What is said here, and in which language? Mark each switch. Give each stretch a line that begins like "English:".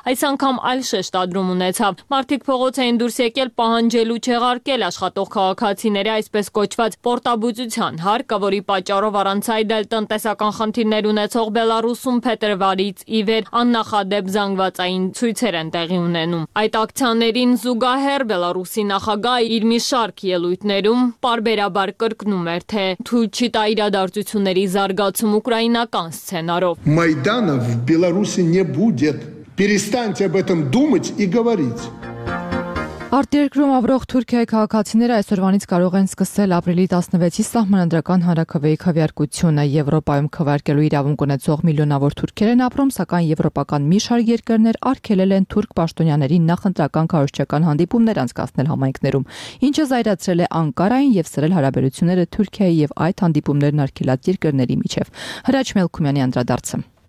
Armenian: այս անգամ այլ շեշտադրում ունեցավ։ Մարդիկ փողոց էին դուրս եկել պահանջելու չեղարկել աշխատող քաղաքացիների այսպես կոչված պորտաբուծության հարկը, որի պատճառով առանց այդ էլ տնտեսական խնդիրներ ունեցող Բելարուսում փետրվարից ի վեր դեպ զանգվածային ցույցեր են տեղի ունենում։ Այդ ակցիաներին զուգահեռ Բելարուսի նախագահ իր մի շարք ելույթներում պարբերաբար կրկնում էր, թե թույլ չի տա իրադարձությունների զարգացում ուկրաինական սցենարով։
Russian: Մայդանը в Беларуси не будет. Перестаньте об этом думать и говорить.
Armenian: Արտերկրում ապրող Թուրքիայի քաղաքացիները այսօրվանից կարող են սկսել ապրիլի 16-ի սահմանադրական հանրաքվեի քվեարկությունը։ Եվրոպայում քվարկելու իրավունք ունեցող միլիոնավոր թուրքեր են ապրում, սակայն եվրոպական մի շարք երկրներ արգելել են թուրք պաշտոնյաների նախընտրական քարոզչական հանդիպումներ անցկացնել համայնքներում, ինչը զայրացրել է Անկարային և սրել հարաբերությունները Թուրքիայի և այդ հանդիպումներն արգելած երկրների միջև։ Հրաչ Մելքումյանի անդրադարձը։